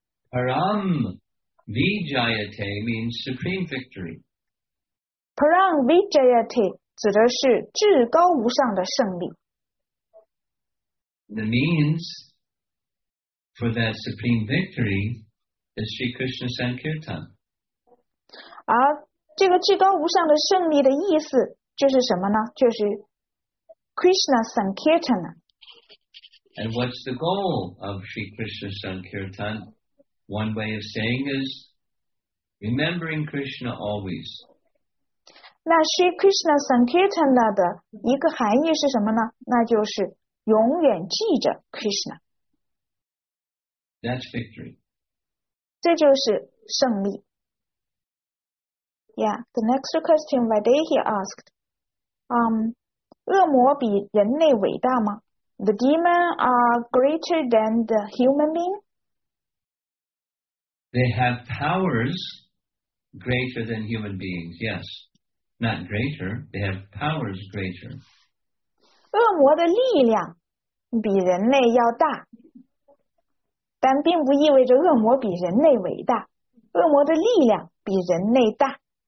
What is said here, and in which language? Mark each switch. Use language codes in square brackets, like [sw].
[en] Param Vijayate means supreme victory. [zh] Param Vijayate 指的是至高无上的胜利。 [en] The means for that supreme victory is Sri Krishna Sankirtan. [zh] 而这个至高无上的胜利的意思就是什么呢？就是Krishna Sankirtana. [en] And what's the goal of Sri Krishna Sankirtan? One way of saying is remembering Krishna always. [zh] 那 Sri Krishna Sankirtana 的一个含义是什么呢？那就是永远记着 Krishna. [en] That's victory. [zh] 这就是胜利。 [en] Yeah, the next question Vaidehi asked. The demons are greater than the human being? They have powers greater than human beings, yes. Not greater, they have powers greater. [zh] 恶魔的力量比人类要大，但并不意味着恶魔比人类伟大。恶魔的力量比人类大。